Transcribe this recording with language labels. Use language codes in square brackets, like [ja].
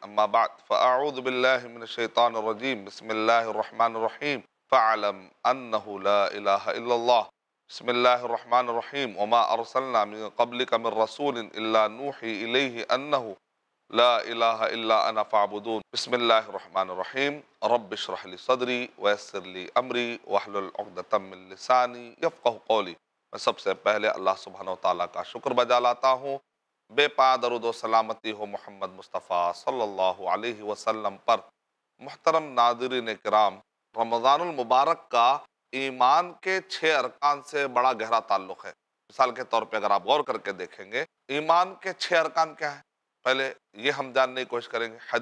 [ar] আম্মা বাদ, ফাআউযু বিল্লাহি মিনাশ শাইতানির রাজীম, বিসমিল্লাহির রহমানির রহিম। ফাআলাম আন্নাহু লা ইলাহা ইল্লাল্লাহ, বিসমিল্লাহির রহমানির রহিম। ওয়া মা আরসালনা মিন ক্বাবলিকা মির রাসূলিন ইল্লা নূহি ইলাইহি আন্নাহু لا إله إلا أنا فاعبدون. بسم الله الرحمن الرحيم، رب اشرح لي صدري ويسر لي أمري واحلل عقدة من لساني يفقه قولي. [ur] میں سب سے پہلے اللہ سبحانہ و تعالیٰ کا شکر بجا لاتا ہوں، بے پا درود و سلامتی ہو محمد مصطفیٰ صلی اللہ علیہ وسلم پر۔ محترم ناظرین کرام، رمضان المبارک کا ایمان کے چھ ارکان سے بڑا گہرا تعلق ہے۔ مثال کے طور پہ اگر آپ غور کر کے دیکھیں گے، ایمان کے چھ ارکان کیا ہیں پہلے یہ ہم جاننے کی کوشش کریں گے۔